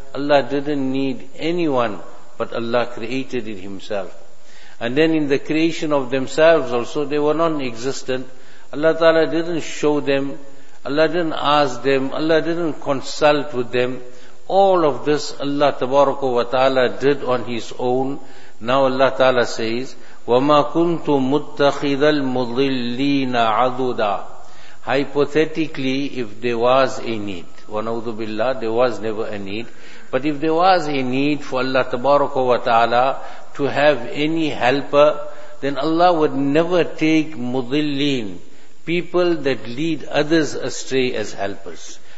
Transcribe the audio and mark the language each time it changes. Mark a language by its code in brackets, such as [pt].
[en] Allah didn't need anyone, but Allah created it himself. And then in the creation of themselves also, they were non-existent. Allah Ta'ala didn't show them. Allah didn't ask them. Allah didn't consult with them. All of this Allah Tabaraka wa Ta'ala did on his own. Now Allah Ta'ala says, [ar] وَمَا كُنْتُ مُتَّخِذَ الْمُضِلِّينَ عَدُودًا. [en] Hypothetically, if there was a need, [ar] وَنَوْذُ بِاللَّهِ, [en] there was never a need, but if there was a need for Allah tabaraka wa ta'ala to have any helper, then Allah would never take مُضِلِّين, people that lead others astray as helpers.